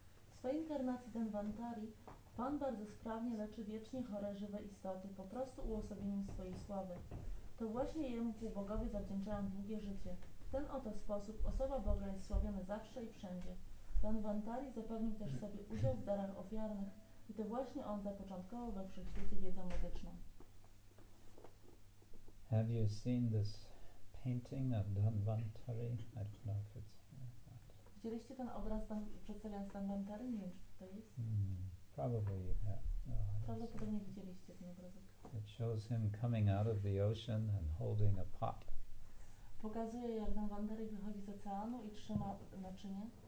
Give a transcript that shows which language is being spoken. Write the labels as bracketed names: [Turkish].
[Polish] W swojej inkarnacji Danvantari Pan bardzo sprawnie leczy wiecznie chore żywe istoty po prostu uosobieniem swojej sławy. To właśnie Jemu półbogowie zawdzięczają długie życie. W ten oto sposób osoba Boga jest sławiona zawsze i wszędzie. Danvantari zapewnił też sobie udział w darach ofiarnych i to właśnie on zapoczątkował we wszechświecie wiedzę medyczną. [English] Have you seen this painting of Danvantari? I don't know if it's... [Polish] Widzieliście ten obraz przedstawiający Danvantari? Nie wiem, czy to jest. [English] Probably you have. No, [Polish] prawdopodobnie widzieliście ten obrazek. [English] It shows him coming out of the ocean and holding a pot. [Polish] Pokazuje, jak Danvantari wychodzi z oceanu i trzyma naczynie.